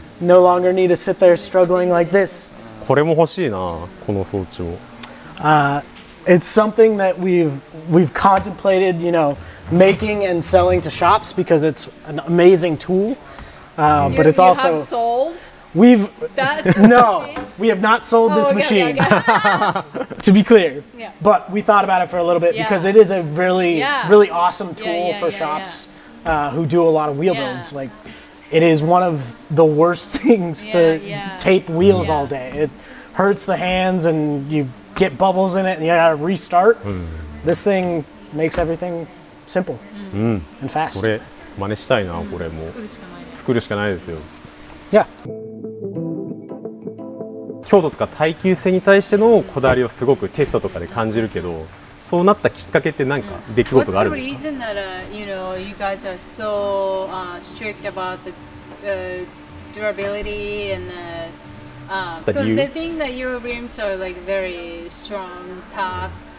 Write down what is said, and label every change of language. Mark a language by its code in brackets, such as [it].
[en] No longer need to sit there struggling like this. [ja] これも欲しいな、この装置も。 [en] It's something that we've contemplated, you know, making and selling to shops because it's an amazing tool. But it's also. Have sold? We've. No, we have not sold this machine. to be clear. Yeah. But we thought about it for a little bit because it is a really, really awesome tool for shops who do a lot of wheel builds. Like, it is one of the worst things to tape wheels all day. It hurts the hands and you get bubbles in it and you gotta restart. This thing makes everything simple and fast. [ja] これ真似したいな、これも。作るしかないですよ。 [en] Yeah. [ja] 強度とか耐久性に対してのこだわりをすごくテストとかで感じるけど、そうなったきっかけって何か出来事があるんですか？ [en] What's the reason that you know you guys are so strict about the durability and the because the thing that your rims are like very strong, tough.